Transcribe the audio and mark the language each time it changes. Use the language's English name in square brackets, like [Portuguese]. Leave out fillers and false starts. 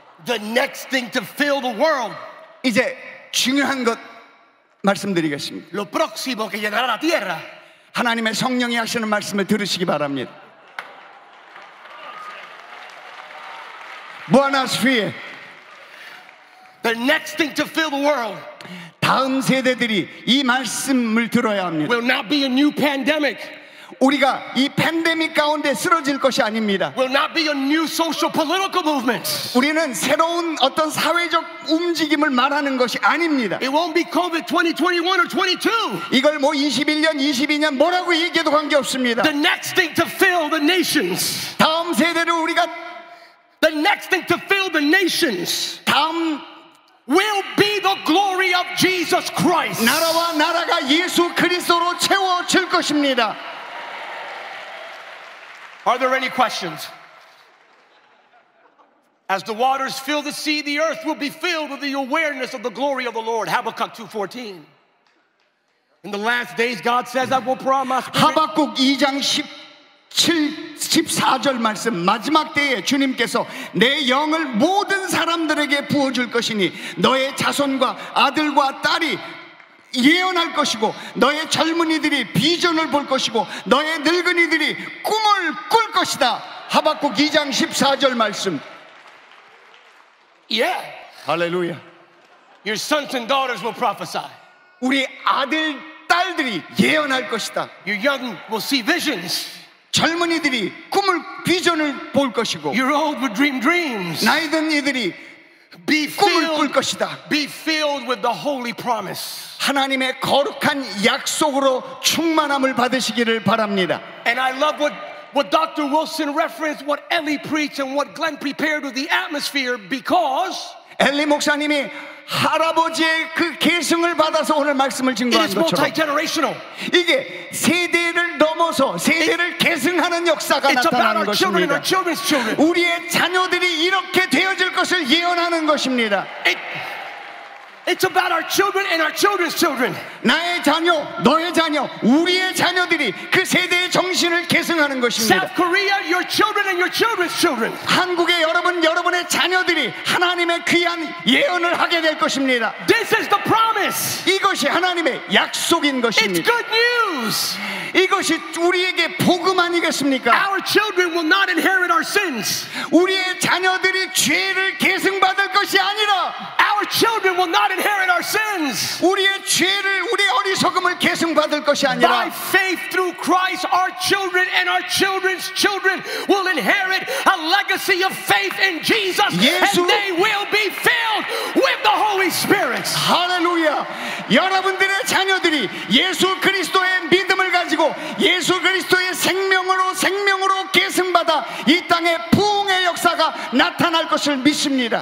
[English] The next thing to fill the world. [Korean] 이제 중요한 것 말씀드리겠습니다. [Spanish] Lo próximo que llegará a la tierra. [Korean] 하나님의 성령이 하시는 말씀을 들으시기 바랍니다. Buenas fie. [English] The next thing to fill the world. [Korean] 다음 세대들이 이 말씀을 들어야 합니다. [English] Will not be a new pandemic. [Korean] 우리가 이 팬데믹 가운데 쓰러질 것이 아닙니다. [English] Will not be a new social political movement. [Korean] 우리는 새로운 어떤 사회적 움직임을 말하는 것이 아닙니다. [English] It won't be COVID 2021 or 22. [Korean] 이걸 뭐 21년, 22년 뭐라고 얘기해도 관계없습니다. [English] The next thing to fill the nations. [Korean] 다음 세대를 우리가 [English] The next thing to fill the nations. [Korean] 다음 [English] will be the glory of Jesus Christ. [Korean] 나라와 나라가 예수 그리스도로 채워질 것입니다. [English] Are there any questions? As the waters fill the sea, the earth will be filled with the awareness of the glory of the Lord. Habakkuk 2:14. In the last days, God says, I will pour out my spirit. [Korean] Habakkuk 2장 14절 말씀. 마지막 때에 주님께서 내 영을 모든 사람들에게 부어줄 것이니 너의 자손과 아들과 딸이 예언할 것이고 너의 젊은이들이 비전을 볼 것이고 너의 늙은이들이 꿈을 꿀 것이다. 하박국 2장 14절 말씀. [English] Yeah. Hallelujah. Your sons and daughters will prophesy. [Korean] 우리 아들 딸들이 예언할 것이다. [English] Your young will see visions. [Korean] 젊은이들이 꿈을 비전을 볼 것이고. [English] Your old will dream dreams. [Korean] 나이든 이들이 [English] Be filled, be filled with the holy promise. [Korean] 하나님의 거룩한 약속으로 충만함을 받으시기를 바랍니다. [English] And I love what Dr. Wilson referenced, what Ellie preached, and what Glenn prepared with the atmosphere because [Korean] 엘리 목사님이 할아버지의 그 계승을 받아서 오늘 말씀을 증거한 것처럼 [English] It is multi-generational. [Korean] 이게 세대를 넘어서 세대를 계승하는 역사가 [English] It's [Korean] 나타나는 [English] about our [Korean] 것입니다. [English] Children and our children's children. [Korean] 우리의 자녀들이 이렇게 되어질 것을 예언하는 것입니다. [English] It's about our children and our children's children. [Korean] 나의 자녀, 너의 자녀, 우리의 자녀들이 그 세대의 정신을 계승하는 것입니다. [English] South Korea, your children and your children's children. [Korean] 한국의 여러분, 여러분의 자녀들이 하나님의 귀한 예언을 하게 될 것입니다. [English] This is the promise. [Korean] 이것이 하나님의 약속인 것입니다. [English] It's good news. [Korean] 이것이 우리에게 복음 아니겠습니까? [English] Our children will not inherit our sins. [Korean] 우리의 자녀들이 죄를 계승받을 것입니다. 것이 아니라 [English] our children will not inherit our sins. [Korean] 우리의 죄를 우리의 어리석음을 계승받을 것이 아니라 [English] by faith through Christ our children and our children's children will inherit a legacy of faith in Jesus [Korean] 예수. [English] And they will be filled with the Holy Spirit. [Korean] 할렐루야. 여러분들의 자녀들이 예수 그리스도의 믿음을 가지고 예수 그리스도의 생명으로 계승받아 이 땅에 부흥의 역사가 나타날 것을 믿습니다.